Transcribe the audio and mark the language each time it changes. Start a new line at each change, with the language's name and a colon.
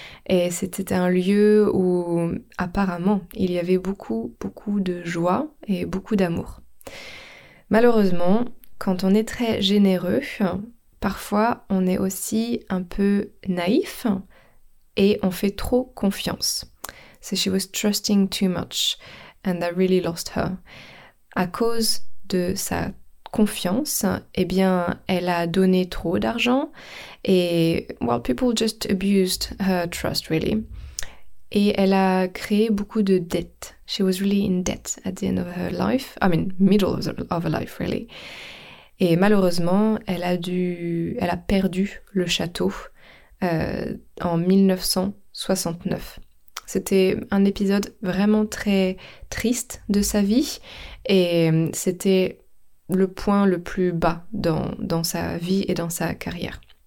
French: Et c'était un lieu où, apparemment, il y avait beaucoup, beaucoup de joie et beaucoup d'amour. Malheureusement, quand on est très généreux, parfois on est aussi un peu naïf et on fait trop confiance.
English: So she was trusting too much and that really lost her.
French: À cause de sa confiance, eh bien, elle a donné trop d'argent et,
English: well, people just abused her trust, really.
French: Et elle a créé beaucoup de dettes.
English: She was really in debt at the end of her life. I mean, middle of her life, really.
French: Et malheureusement, elle a perdu le château en 1969. C'était un épisode vraiment très triste de sa vie et c'était le point le plus bas dans sa vie et dans sa carrière.